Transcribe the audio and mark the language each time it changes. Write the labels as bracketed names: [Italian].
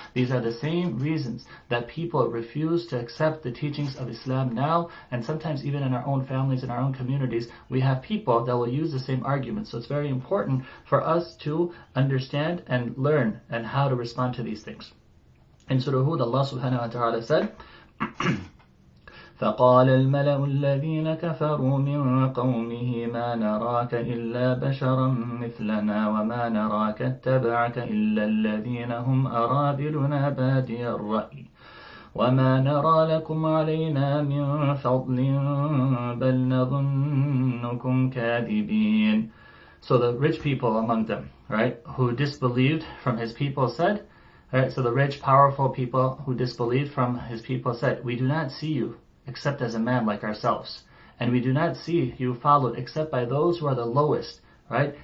[English] These are the same reasons that people refuse to accept the teachings of Islam now. And sometimes even in our own families, in our own communities, we have people that will use the same arguments. So it's very important for us to understand and learn and how to respond to these things. In Surah Hud, Allah subhanahu wa ta'ala said, [Arabic] فقال الملأ الذين كفروا من قومه ما نراك إلا بشرا مثلنا وما نراك اتبعك إلا الذين هم أرابلنا بادي الرأي وما نرى لكم علينا من فضل بل نظنكم كاذبين [English] So the rich people among them, right, who disbelieved from his people said, right, so the rich, powerful people who disbelieved from his people said, we do not see you except as a man like ourselves. And we do not see you followed except by those who are the lowest, right?